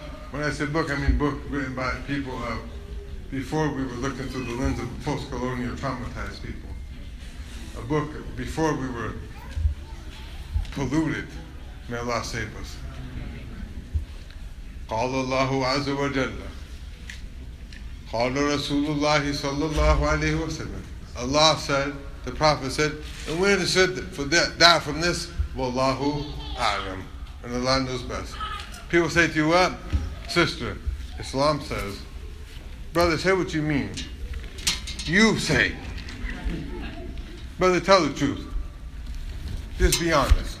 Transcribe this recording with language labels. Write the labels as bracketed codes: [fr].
[en] When I say book, I mean book written by people of before we were looking through the lens of post-colonial traumatized people. A book before we were polluted. May Allah save us. [ar] قال الله عز وجل قال رسول الله صلى الله عليه وسلم. [en] Allah said, the Prophet said, and we understood that from this, [ar] وَاللَّهُ أَعْلَمُ. [en] And Allah knows best. People say to you, what? Sister, Islam says, brother, say what you mean. You say. Brother, tell the truth. Just be honest.